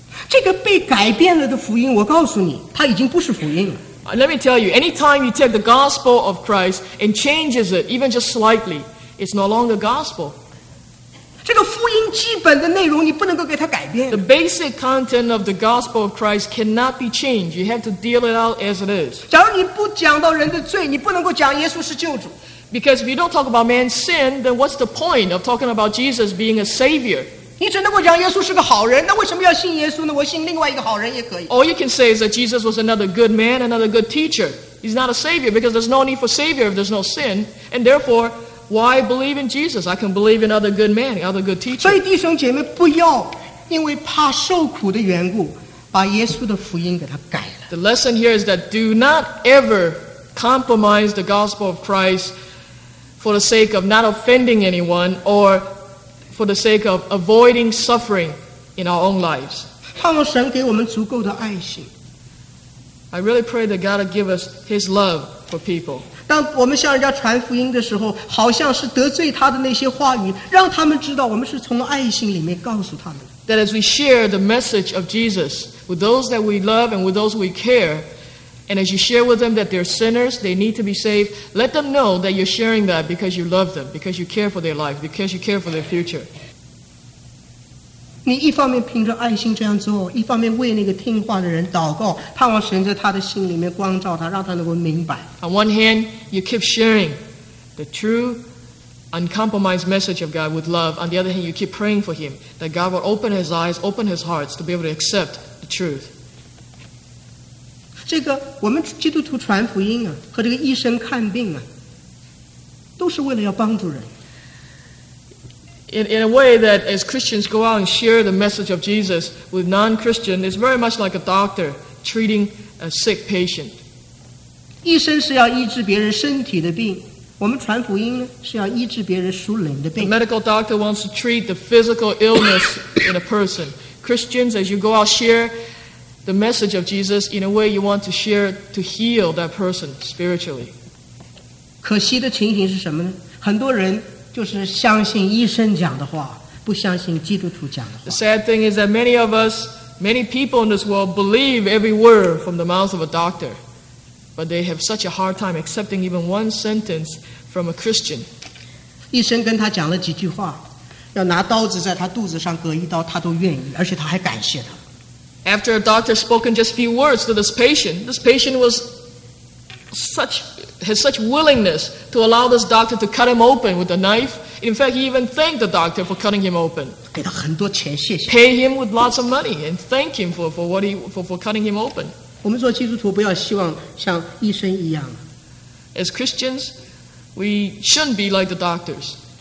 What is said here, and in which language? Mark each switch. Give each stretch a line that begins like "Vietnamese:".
Chinese: 这个被改变了的福音，我告诉你，它已经不是福音了。
English: Let me tell you, any time you take the gospel of Christ and changes it, even just slightly, it's no longer gospel.
Chinese: 这个福音基本的内容，你不能够给它改变。
English: The basic content of the gospel of Christ cannot be changed. You have to deal it out as it is.
Chinese: 假如你不讲到人的罪，你不能够讲耶稣是救主。
English: Because if you don't talk about man's sin, then what's the point of talking about Jesus being a savior?
Chinese: 你只能够讲耶稣是个好人，那为什么要信耶稣呢？我信另外一个好人也可以。
English: All you can say is that Jesus was another good man, another good teacher. He's not a savior because there's no need for savior if there's no sin, and therefore. Why believe in Jesus? I can believe in other good men, other good teachers.
Chinese: 所以弟兄姐妹不要因为怕受苦的缘故把耶稣的福音给他改了。
English: The lesson here is that do not ever compromise the gospel of Christ for the sake of not offending anyone or for the sake of avoiding suffering in our own lives.
Chinese: 盼望神给我们足够的爱心。
English: I really pray that God will give us His love for people.
Chinese: 当我们向人家传福音的时候，好像是得罪他的那些话语，让他们知道我们是从爱心里面告诉他们。
English: That as we share the message of Jesus with those that we love and with those we care, and as you share with them that they're sinners, they need to be saved, let them know that you're sharing that because you love them, because you care for their life, because you care for their future.
Chinese: 你一方面凭着爱心这样做，一方面为那个听话的人祷告，盼望神在他的心里面光照他，让他能够明白。
English: On one hand, you keep sharing the true, uncompromised message of God with love. On the other hand, you keep praying for him that God will open his eyes, open his hearts to be able to accept the truth.
Chinese: 这个我们基督徒传福音啊，和这个医生看病啊，都是为了要帮助人。
English: In a way that as Christians go out and share the message of Jesus with non-Christian, it's very much like a doctor treating a sick patient.
Chinese: 医生是要医治别人身体的病，我们传福音是要医治别人属灵的病。
English: A medical doctor wants to treat the physical illness in a person. Christians, as you go out share the message of Jesus, in a way you want to share to heal that person spiritually.
Chinese: 可惜的情形是什么呢？很多人就是相信医生讲的话，不相信基督徒讲的话。
English: The sad thing is that many of us Many people in this world believe every word from the mouth of a doctor, but they have such a hard time accepting even one sentence from a Christian.
Chinese: 医生跟他讲了几句话, 要拿刀子在他肚子上割一刀, 他都愿意, 而且他还感谢他。
English: After a doctor spoken just a few words to this patient was had such willingness to allow this doctor to cut him open with a knife. In fact, he even thanked the doctor for cutting him open.
Chinese: 给他很多钱,谢谢。
English: Pay him with lots of money and thank him for cutting him open.
Chinese: 我们做基督徒不要希望像医生一样。
English: As Christians, we shouldn't be like the doctors.